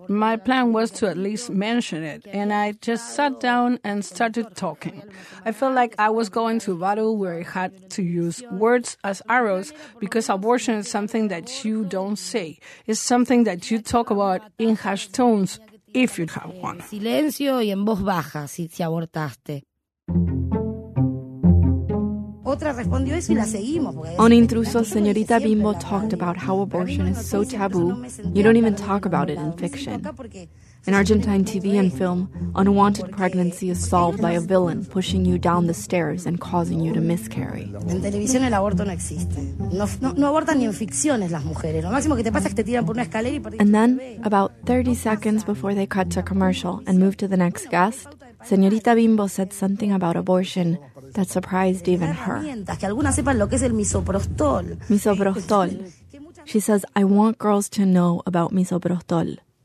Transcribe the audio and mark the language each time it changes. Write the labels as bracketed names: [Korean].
[English] My plan was to at least mention it. And I just sat down and started talking. I felt like I was going to battle where I had to use words as arrows, because abortion is something that you don't say. It's something that you talk about in hushed tones, if you have one. [Spanish] Silencio y en voz baja, si te abortaste. [English] On Intruso, Señorita Bimbo talked about how abortion is so taboo, you don't even talk about it in fiction. In Argentine TV and film, unwanted pregnancy is solved by a villain pushing you down the stairs and causing you to miscarry. [Spanish] En televisión el aborto no existe. No abortan ni en ficciones las mujeres. Lo máximo que te pasa es que te tiran por una escalera y perdiste. [English] And then, about 30 seconds before they cut to commercial and move to the next guest, Señorita Bimbo said something about abortion that surprised even her. Misoprostol. She says, I want girls to know about misoprostol.